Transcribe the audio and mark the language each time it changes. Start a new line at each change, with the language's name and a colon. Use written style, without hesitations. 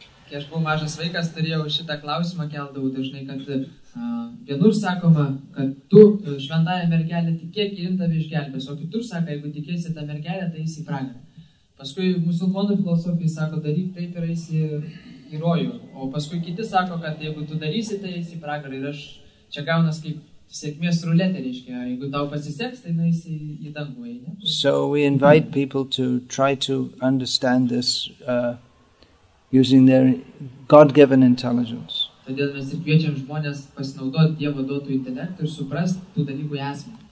Lithuanian: Kai aš buvau mažas vaikas, turėjau šitą klausimą keldavau dažnai, kad vienur sakoma, kad tu šventąją mergelę tikėk ir tave išgelbės, o kitur sako, jeigu tikėsi tą mergelę, tai eisi į pragarą. Paskui musulmonų filosofija sako, daryk taip ir eisi į rojų. O paskui kiti sako, kad jeigu tu darysi, tai eisi į pragarą. Ir aš čia gaunas kaip sėkmės ruletė, reiškia, jeigu tau pasiseks, tai nueisi į dangų.
English: So we invite people to try to understand this using their God-given intelligence.
Lithuanian: Todėl mes ir kviečiam žmonės pasinaudoti Dievo duotų intelektų ir suprasti tų dalykų esmę.